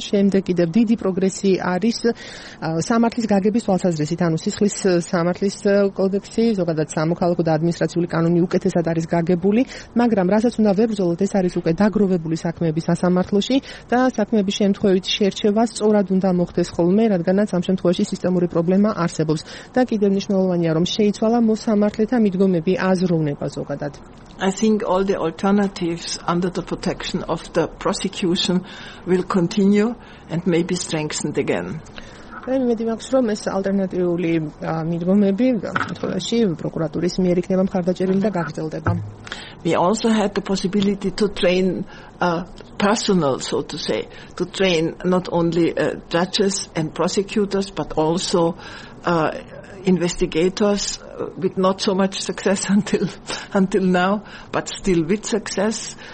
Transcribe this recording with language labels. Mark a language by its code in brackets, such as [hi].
[ka] შემდეგ კიდევ დიდი პროგრესი არის სამართლის გაგების თვალსაზრისით, ანუ სისხლის სამართლის კოდექსი, ზოგადად სამოქალაქო და ადმინისტრაციული კანონი უკეთესად არის გაგებული, მაგრამ რასაც უნდა ვებრძოლოთ, ეს არის უკვე დაგროვებული საქმეების სასამართლოში და საქმეების შემთხვევით შერჩევა სწორად უნდა მოხდეს ხოლმე, რადგანაც ამ შემთხვევაში სისტემური პრობლემა არსებობს. და კიდევ მნიშვნელოვანია, რომ შეიცვალა მოსამართლეთა მიდგომები, აზროვნება ზოგადად. [en] I think all the alternatives under the protection of the prosecution will continue and maybe strengthened again. [ka] მეტი მაქვს რომ ეს ალტერნატიული მიდგომები თავში პროკურატურის მიერ იქნება მხარდაჭერილი და გაგრძელდება. [en] We also had the possibility to train personnel, so to say, to train not only judges and prosecutors but also investigators with not so much success until now, but still with success.